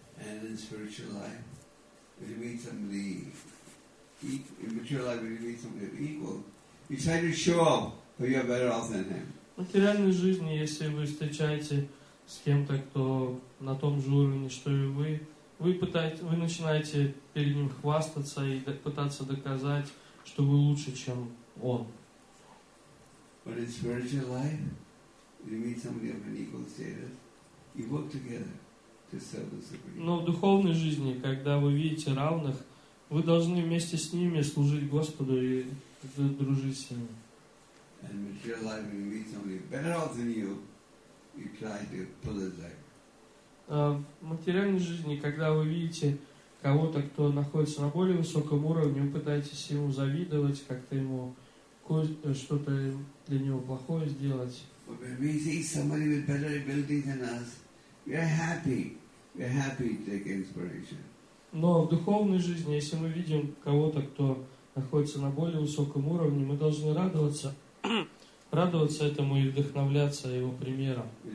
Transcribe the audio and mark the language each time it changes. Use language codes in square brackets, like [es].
[ru] В материальной жизни, если вы встречаете с кем-то, кто на том же уровне, что и вы начинаете перед ним хвастаться и пытаться доказать, что вы лучше, чем он. [en] But in spiritual life, when you meet somebody of an equal status, you work together to serve the Supreme. [ru] Но в духовной жизни, когда вы видите равных, вы должны вместе с ними служить Господу и дружить с ними. [en] And in material life, when you meet somebody better off than you, you try to pull it back. [ru] В материальной жизни, когда вы видите кого-то, кто находится на более высоком уровне, вы пытаетесь ему завидовать, как-то ему что-то для него плохое сделать. Но в духовной жизни, если мы видим кого-то, кто находится на более высоком уровне, мы должны радоваться, радоваться этому и вдохновляться его примером.